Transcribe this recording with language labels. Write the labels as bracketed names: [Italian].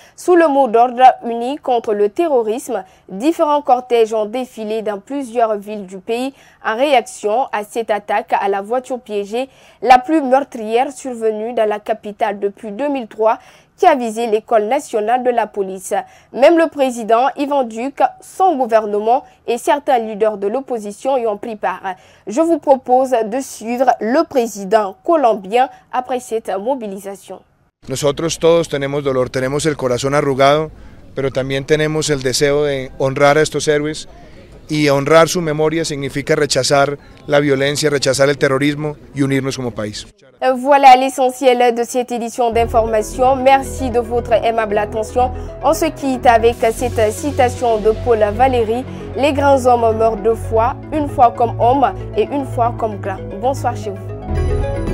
[French] Sous le mot d'ordre uni contre le terrorisme, différents cortèges ont défilé dans plusieurs villes du pays en réaction à cette attaque à la voiture piégée, la plus meurtrière survenue dans la capitale depuis 2003, qui a visé l'école nationale de la police. Même le président Ivan Duque, son gouvernement et certains leaders de l'opposition y ont pris part. Je vous propose de suivre le président colombien après cette mobilisation. [Spanish] Nosotros todos tenemos dolor, tenemos el corazón arrugado, pero también tenemos el deseo de honrar a estos héroes. Y honrar su memoria significa rechazar la violencia, rechazar el terrorismo y unirnos como país. [French] Voilà l'essentiel de cette édition d'information. Merci de votre aimable attention. On se quitte avec cette citation de Paul Valéry. Les grands hommes meurent deux fois, une fois comme homme et une fois comme grand. Bonsoir chez vous.